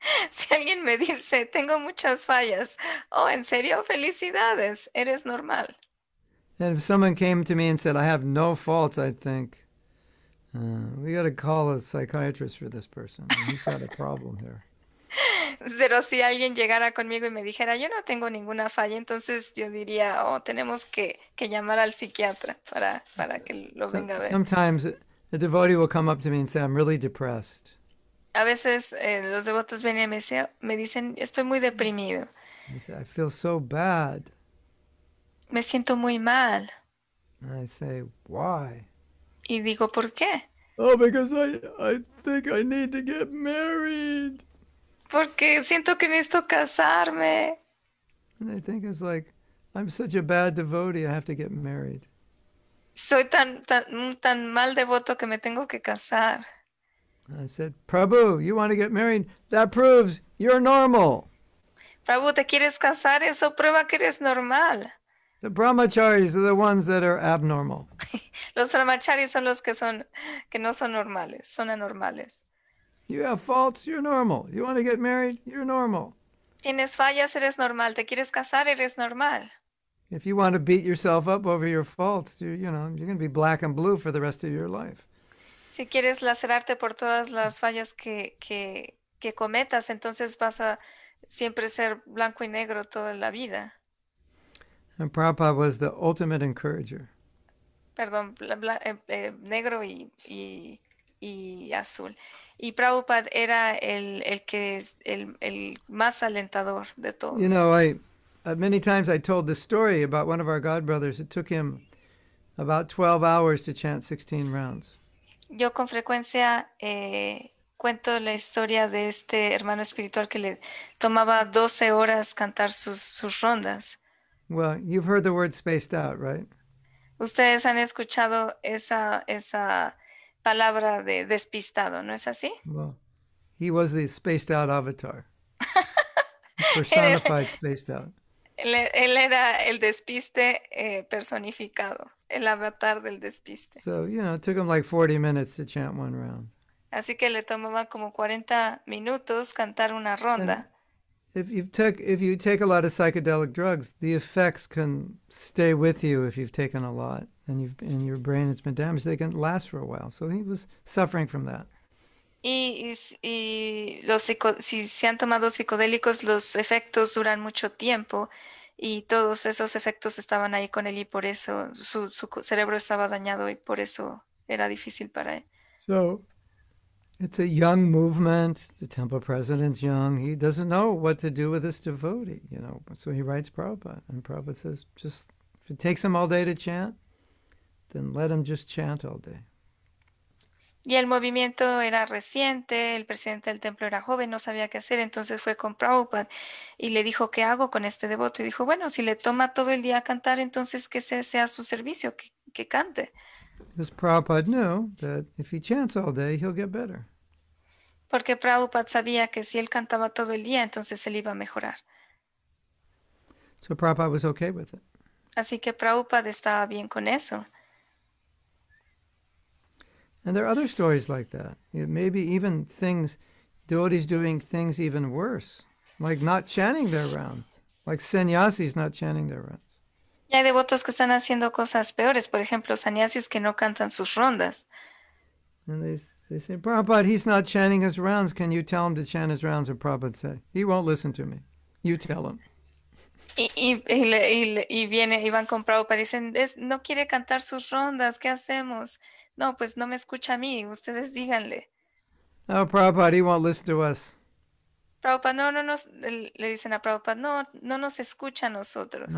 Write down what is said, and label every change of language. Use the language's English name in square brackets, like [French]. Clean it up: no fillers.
[Spanish] Si alguien me dice, tengo muchas fallas. Oh, ¿en serio? Felicidades. Eres normal. [English] And if someone came to me and said, I have no faults, I'd think, we got to call a psychiatrist for this person. He's got a problem here. [Spanish] Pero si alguien llegara conmigo y me dijera, yo no tengo ninguna falla, entonces yo diría, oh, tenemos que llamar al psiquiatra para que lo venga a ver. [English] Sometimes a devotee will come up to me and say, I'm really depressed. [Spanish] A veces los devotos vienen y me dicen, estoy muy deprimido. [English] I say, I feel so bad. [Spanish] Me siento muy mal. [English] And I say, why? [Spanish] Y digo, ¿por qué? [English] Oh, because I think I need to get married. [Spanish] Porque siento que necesito casarme. [English] And I think it's like, I'm such a bad devotee, I have to get married. [Spanish] Soy tan mal devoto que me tengo que casar. [English] I said, Prabhu, you want to get married? That proves you're normal. [Spanish] Prabhu, ¿te quieres casar? Eso prueba que eres normal. [English] The brahmacharis are the ones that are abnormal. [Spanish] Los brahmacharis son los que no son normales, son anormales. [English] You have faults, you're normal. You want to get married, you're normal. [Spanish] Tienes fallas, eres normal. Te quieres casar, eres normal. [English] If you want to beat yourself up over your faults, you're going to be black and blue for the rest of your life. [Spanish] Si quieres lacerarte por todas las fallas que cometas, entonces vas a siempre ser blanco y negro toda la vida. [English] And Prabhupada was the ultimate encourager. [Spanish] Perdón, negro y azul. Y Prabhupada era el más alentador de todos. [English] You know, many times I told this story about one of our God brothers. It took him about 12 hours to chant 16 rounds. [Spanish] Yo con frecuencia cuento la historia de este hermano espiritual que le tomaba 12 horas cantar sus rondas. [English] Well, you've heard the word spaced out, right? [Spanish] Ustedes han escuchado esa palabra de despistado, ¿no es así? [English] Well, he was the spaced out avatar. Personified spaced out. [Spanish] Él era el despiste personificado, el avatar del despiste. [English] So, it took him like 40 minutes to chant one round. [Spanish] Así que le tomaba como 40 minutos cantar una ronda. [English] And If you take a lot of psychedelic drugs, the effects can stay with you if you've taken a lot and your brain has been damaged. They can last for a while. So he was suffering from that. [Spanish] Y los si se han tomado psicodélicos, los efectos duran mucho tiempo y todos esos efectos estaban ahí con él y por eso su cerebro estaba dañado y por eso era difícil para él. [English] So it's a young movement. The temple president's young. He doesn't know what to do with this devotee, So he writes Prabhupada. And Prabhupada says, just if it takes him all day to chant, then let him just chant all day. [Spanish] Y el movimiento era reciente. El presidente del templo era joven. No sabía qué hacer. Entonces fue con Prabhupada y le dijo, ¿qué hago con este devoto? Y dijo, bueno, si le toma todo el día a cantar, entonces que sea su servicio, que cante. [English] Because Prabhupada knew that if he chants all day, he'll get better. [Spanish] Porque Prabhupada sabía que si él cantaba todo el día, entonces él iba a mejorar. [English] So Prabhupada was okay with it. [Spanish] Así que Prabhupada estaba bien con eso. [English] And there are other stories like that. Maybe even things, devotees doing things even worse, like not chanting their rounds, like sannyasis not chanting their rounds. [Spanish] Y hay devotos que están haciendo cosas peores, por ejemplo, sannyasis que no cantan sus rondas. [English] And they say, Prabhupada, he's not chanting his rounds. Can you tell him to chant his rounds? And Prabhupada say, he won't listen to me. You tell him. [Spanish] Y van con Prabhupada y dicen, no quiere cantar sus rondas. ¿Qué hacemos? No, pues no me escucha a mí. Ustedes díganle. [English] Oh, Prabhupada, he won't listen to us. [Spanish] Prabhupada, no, le dicen a Prabhupada, no nos escucha a nosotros.